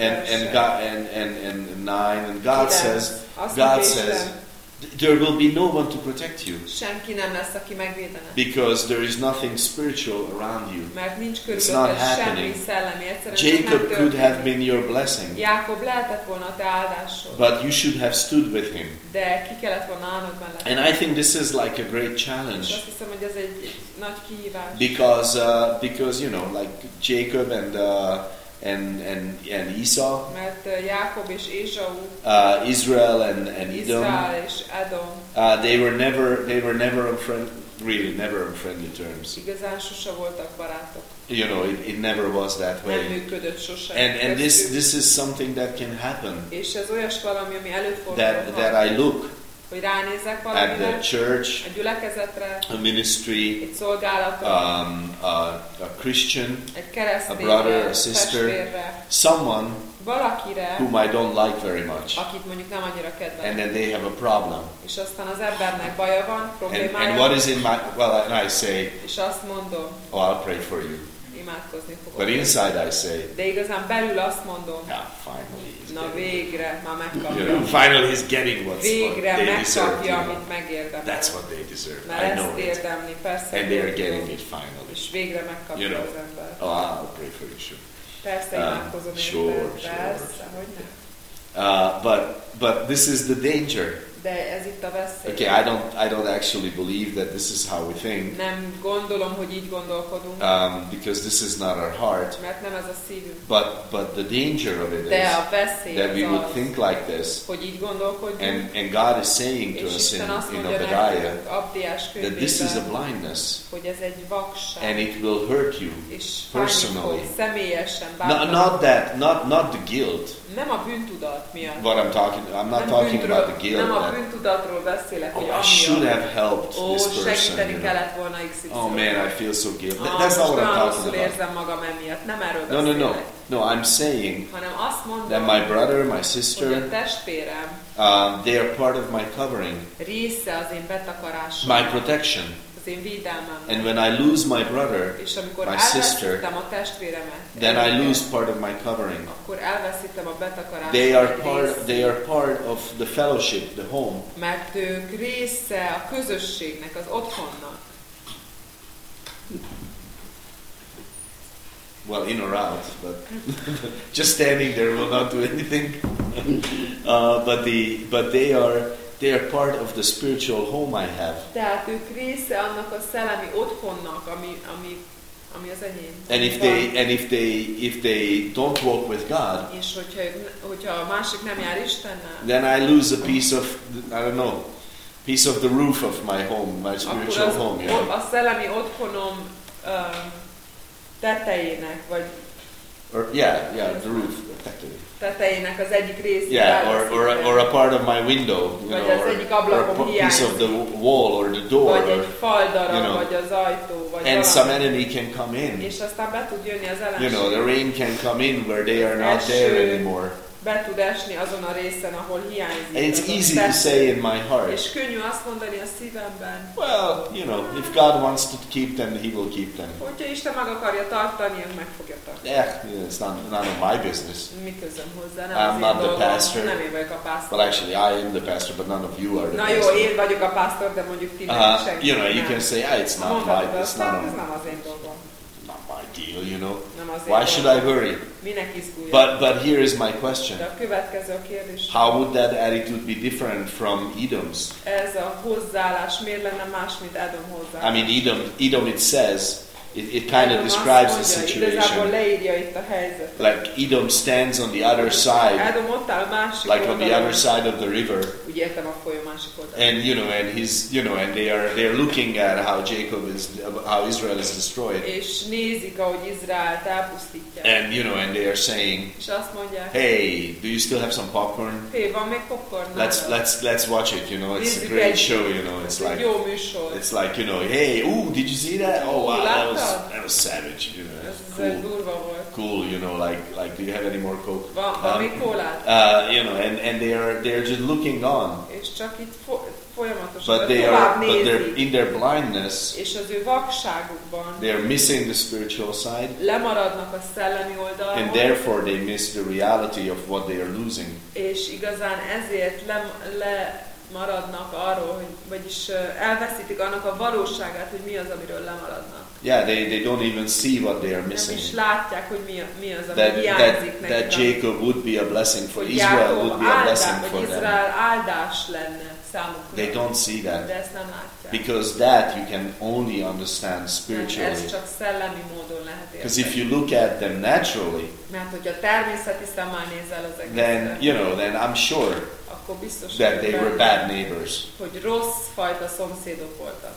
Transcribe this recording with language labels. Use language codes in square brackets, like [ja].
[en] and 9, and God says, there will be no one to protect you. [hu] Senki nem lesz, aki megvédene. [en] Because there is nothing spiritual around you. [hu] Mert nincs körülötted. [en] It's not happening. [hu] Semmi szellemi. Egyszerűen [en] Jacob could have been your blessing. [hu] Jákob lehetett volna te áldásod. [en] But you should have stood with him. [hu] De ki kellett volna állnodban lenni. [en] And I think this is like a great challenge. [hu] Azt hiszem, hogy ez egy nagy kihívás. [en] Because you know, like Jacob and Esau, [hu] mert Jákob és Ézsau, [en] Israel and Edom, they were never on friendly terms. [hu] Igazán sose voltak barátok. [en] You know, it never was that way. [hu] Nem működött sose. [en] And this is something that can happen. [hu] És ez olyas valami, ami előfordulhat. [en] That I look. [hu] Hogy ránézek valamire, [en] at the church, [hu] a gyülekezetre, [en] a ministry, [hu] egy szolgálatra, [en] a Christian, [hu] egy keresztény, [en] a brother, a sister, [hu] testvérre, [en] someone [hu] valakire, [en] whom I don't like very much, [hu] akit mondjuk nem annyira kedvelek, [en] and then they have a problem. [hu] És aztán az embernek baja van, problémája. [en] And what is in my, well, and I say, [hu] és azt mondom, [en] oh, I'll pray for you. [hu] Imádkozni fogok. [en] But inside I say, [hu] de igazán belül azt mondom, [en] yeah, finally. [hu] Na végre, már megkapja. [en] You know, finally he's getting what they deserve. [hu] Végre megkapja, amit megérdemel. [en] That's what they deserve. [hu] Mert [en] I know [hu] ezt érdemli, persze. [en] And they are getting it finally. [hu] És végre megkapja, [en] you know, [hu] az ember. [en] Oh, I'll pray for you, sure. [hu] Persze, imádkozom én. [en] Sure, [hu] persze, [en] sure. But this is the danger. [hu] De ez itt a veszély. [en] Okay, I don't actually believe that this is how we think. [hu] Nem gondolom, hogy így gondolkodunk. [en] Because this is not our heart. [hu] Mert nem ez a szívünk. [en] But the danger of it [hu] de [en] is [hu] a veszély [en] that we [hu] az [en] would [hu] az [en] think like this. [hu] Hogy így gondolkodjunk. [en] And God is saying to us in Obadiah that this is a blindness. [hu] Hogy ez egy vakság. [en] And it will hurt you personally. [hu] Személyesen bántani. [en] Not the guilt. [hu] Nem a bűntudat miatt. [en] What I'm not talking about the guilt. [hu] Nem a bűntudatról beszélek, hogy [en] I should have helped this person. [hu] Segíteni, [en] you know, [hu] kellett volna XY-t. [en] Oh man, I feel so guilty. That's not what I'm talking about. [hu] Érzem magam emiatt. Nem erről beszélek. [en] No, I'm saying, [hu] hanem azt mondom, [en] that my brother, my sister, [hu] hogy a testvérem, [en] they are part of my covering. [hu] Része az én betakarásom. [en] My protection. [hu] Az én védelmem. [en] And when I lose my brother, [hu] és amikor [en] my sister, [hu] a testvéremet, [en] then I lose part of my covering. [hu] Akkor elveszítem a betakarásomat. [en] They are part of the fellowship, the home. [hu] Mert ők része a közösségnek, az otthonnak. [en] Well, in or out, but just standing there will not do anything. but they are part of the spiritual home I have. [hu] Tehát ők része annak a szellemi otthonnak, ami az enyém. [en] And if they don't walk with God, [hu] és hogyha a másik nem jár Istennel, [en] then I lose a piece of, I don't know, piece of the roof of my home, my spiritual [hu] az, [en] home. Yeah. [hu] A szellemi otthonom tetejének, vagy [en] or, yeah, yeah, the roof, [hu] tetejének. Tetejének az egyik részét. [en] Yeah, or a part of my window, you [hu] vagy [en] know, [hu] az egyik ablakom [en] or a piece of the wall or the door. [hu] Vagy [en] or, [hu] egy fal darab, [en] you know, [hu] vagy az ajtó, vagy [en] and [hu] valami. [en] Some enemy can come in. [hu] És aztán be tud jönni az ellenség. [en] You know, the rain can come in where they are not there anymore. [hu] Be tud esni azon a részen, ahol hiányzik. [en] And it's easy to say in my heart. [hu] És könnyű azt mondani a szívemben. [en] Well, you know, if God wants to keep them, he will keep them. [hu] Hogyha Isten meg akarja tartani, ő meg fogja tartani. [en] Yeah, it's not of my business. [hu] Mi közöm hozzá, nem az én dolgom. [en] I'm not the pastor. [hu] Nem én vagyok a pásztor. [en] Well, actually, I am the pastor, but none of you are the [hu] na [en] pastor. [hu] Na jó, én vagyok a pásztor, de mondjuk ti nem senki. [en] You know, you can say, ah, it's not my business. [hu] Nem, ez nem az én dolgom. [en] Deal, you know. Why should I worry? But here is my question. [hu] De a következő kérdés. [en] How would that attitude be different from Edom's? [hu] Ez a hozzáállás miért lenne más, mint Edom hozzáállása? [en] I mean, Edom it says, it kind of describes the situation. [hu] Edom leírja itt a helyzetet. [en] Like Edom stands on the other side. [hu] Edom ott áll másik [en] like [hu] oldalon, [en] on the other side of the river. [hu] Ugye értem a folyó másik oldalon. [en] And you know, and he's, you know, and they are looking at how Israel is destroyed. [hu] És nézik, ahogy Izrael elpusztítják. [en] And you know, and they are saying, [hu] és azt mondják, [en] hey, do you still have some popcorn? [hu] Hey, van még popcorn? [en] Let's watch it. You know, it's a great show. You know, it's like [hu] jó műsor. [en] It's like, you know, hey, ooh, did you see that? Oh wow. That was savage, you know. Cool, you know, like do you have any more coke? [hu] Van még kólát? [en] You know, and they're just looking on. [hu] És csak itt folyamatosan. [en] But they are, but they're in their blindness. [hu] És az ő vakságukban. [en] They're missing the spiritual side. [hu] Lemaradnak a szellemi oldalról. [en] And therefore they miss the reality of what they are losing. [hu] És igazán ezért lemaradnak arról, vagyis elveszítik annak a valóságát, hogy mi az, amiről lemaradnak. [en] Yeah, they don't even see what they are missing. [hu] Nem is látják, hogy mi az, ami [en] that, [hu] hiányzik [en] that, [hu] nekik. [en] That Jacob would be a blessing for Israel, would be a blessing for them. [hu] Izrael áldás lenne számukra. [en] They don't see that. [hu] De ezt nem látják. [en] Because that you can only understand spiritually. [hu] Ez csak szellemi módon lehet érteni. [en] Because if you look at them naturally, [hu] mert hogyha természeti szemmel nézel az egészet, [en] then, you know, then I'm sure that they were bad neighbors. [hu] Hogy rossz fajta szomszédok voltak.